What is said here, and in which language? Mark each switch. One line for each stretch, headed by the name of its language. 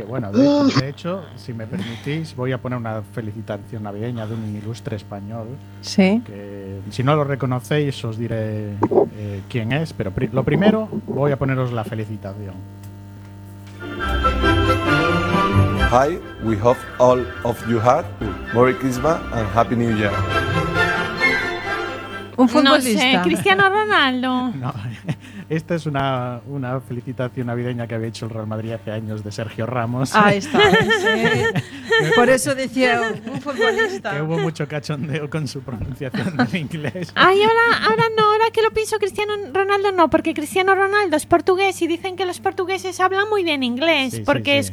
Spanish: Bueno, de hecho, si me permitís, voy a poner una felicitación navideña de un ilustre español. Sí. Que, si no lo reconocéis, os diré quién es. Pero lo primero, voy a poneros la felicitación.
English: Hi, we hope all of you had Merry Christmas and Happy New Year.
Spanish: Un futbolista. No sé, Cristiano Ronaldo. No, esta es una felicitación navideña que había hecho el Real Madrid hace años de Sergio Ramos. Ahí está, sí. Por eso decía un futbolista. Que hubo mucho cachondeo con su pronunciación del inglés. Ay, ahora no, ahora que lo pienso, Cristiano Ronaldo no, porque Cristiano Ronaldo es portugués y dicen que los portugueses hablan muy bien inglés, sí, porque sí, sí.